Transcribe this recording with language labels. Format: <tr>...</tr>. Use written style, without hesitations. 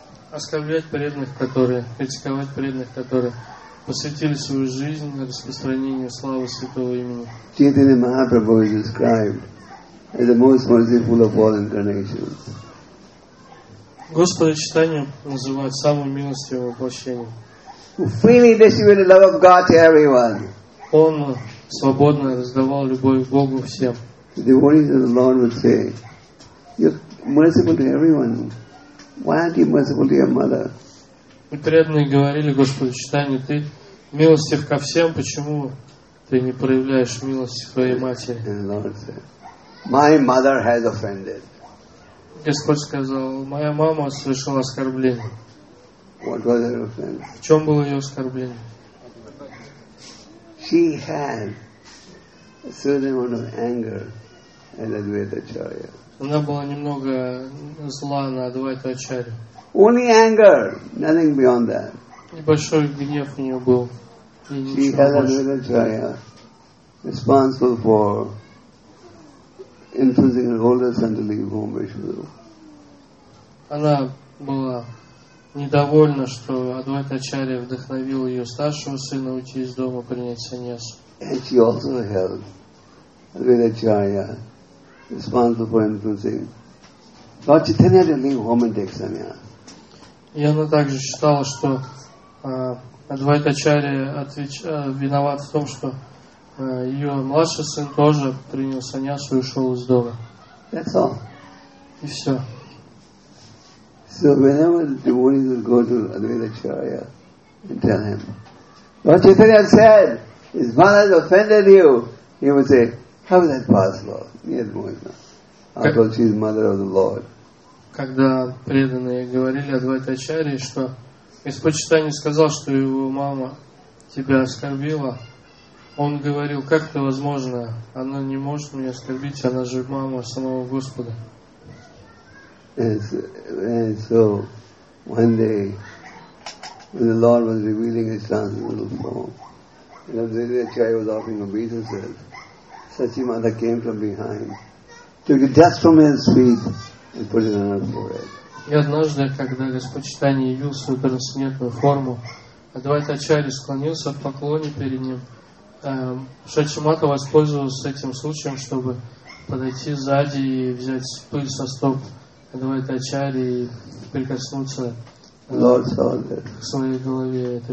<ru>Оскорблять преданных, которые, критиковать преданных, которые посвятили свою жизнь на распространение славы Святого Имени.</ru> <en>Чайтанья Махапрабху is described as the most merciful of all incarnations.</en> <ru>Господа Чайтанья называют самым милостивым воплощением.</ru> <en>Who freely distributed love of God to everyone.</en> <ru>Он свободно раздавал любовь к Богу всем.</ru> <en>The devotees of the Lord would say, you're merciful to everyone. Why aren't you merciful to your mother?</en> <ru>И преданные говорили Господу Чайтанье, ты милостив ко всем, почему ты не проявляешь милость к своей матери?</ru> <en>My mother has offended.</en> <ru>Господь сказал, моя мама совершила оскорбление.</ru> <en>What was her offense?</en> <ru>В чем было ее оскорбление?</ru> <en>She had a certain amount of anger at Advaita Acharya.</en> <ru>Она была немного зла на Адвайта Ачарью.</ru> <en>Only anger, nothing beyond that.</en> <ru>Небольшой гнев у нее был.</ru> <en>She had Advaita Acharya responsible for influencing her older son to leave home, Vishnu.</en> <ru>Она была недовольна, что Адвайта Ачарья вдохновил ее старшего сына уйти из дома, принять саньясу.</ru> <en>And she also held Advaita Acharya responsible for influencing Lord Chaitanya to leave home and take sannyas.</en> <ru>И она также считала, что Адвайта Ачарья виноват в том, что ее младший сын тоже принял саньясу и ушел из дома.</ru> <en>That's all.</en> <ru>И все.</ru> <en>So whenever the devotees would go to Advaita Acharya and tell him, Lord Chaitanya said, his mother has offended you, he would say, how is that possible? Yes, Mohina. After she is mother of the Lord.</en> <ru>Когда преданные говорили о Адвайта Ачарье, что Господь Чайтанья сказал, что его мама тебя оскорбила, он говорил, как это возможно, она не может меня оскорбить, она же мама самого Господа.</ru> <en>And so, one day, when the Lord was revealing his transcendental form, and Advaita Ачарья was offering obeisances, Sachi Mata came from behind, took the dust from his feet, and put it on her forehead.</en> <ru>И однажды, когда Господь Чайтанья явил свою трансцендентную форму, Адвайта Ачарья склонился в поклоне перед ним. Шачи Мата воспользовался этим случаем, чтобы подойти сзади и взять пыль со стоп Адвайта Ачарья и прикоснуться к своей голове.</ru>